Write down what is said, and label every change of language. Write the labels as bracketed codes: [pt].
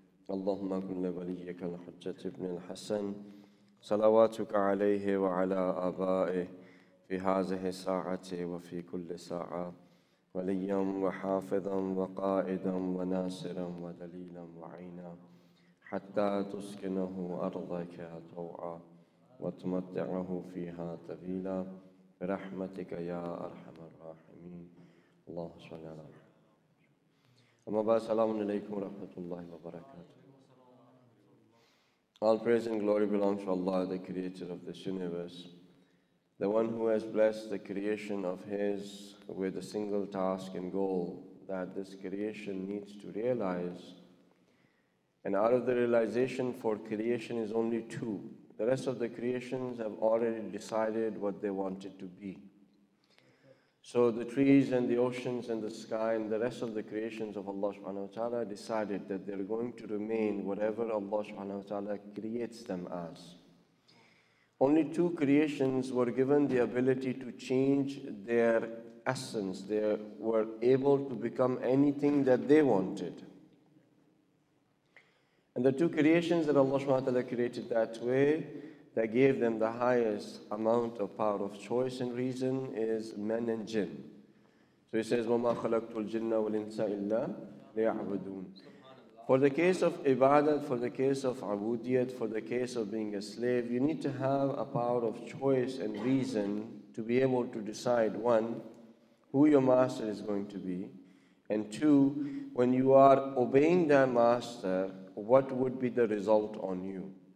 [ar] اللهم كن لوليك الحجة ابن الحسن صلواتك عليه وعلى آبائه في هذه الساعة وفي كل ساعة وليا وحافظا وقائدا وناصرا ودليلا وعينا حتى تسكنه أرضك طوعا وتمتعه فيها طويلا برحمتك يا أرحم الراحمين. الله صلى الله عليه وسلم. أما بعد, السلام عليكم ورحمة الله وبركاته. [en] All praise and glory belongs to Allah, the creator of this universe, the one who has blessed the creation of His with a single task and goal that this creation needs to realize. And out of the realization for creation is only two. The rest of the creations have already decided what they wanted to be. So the trees and the oceans and the sky and the rest of the creations of Allah subhanahu wa ta'ala decided that they're going to remain whatever Allah subhanahu wa ta'ala creates them as. Only two creations were given the ability to change their essence. They were able to become anything that they wanted. And the two creations that Allah subhanahu wa ta'ala created that way, that gave them the highest amount of power of choice and reason, is men and jinn. So he says, [ar] وَمَا خَلَقْتُ الْجِنَّ وَالْإِنسَ إِلَّا لِيَعْبُدُونَ. [en] For the case of ibadat, for the case of abudiyat, for the case of being a slave, you need to have a power of choice and reason to be able to decide, one, who your master is going to be, and two, when you are obeying that master, what would be the result on you?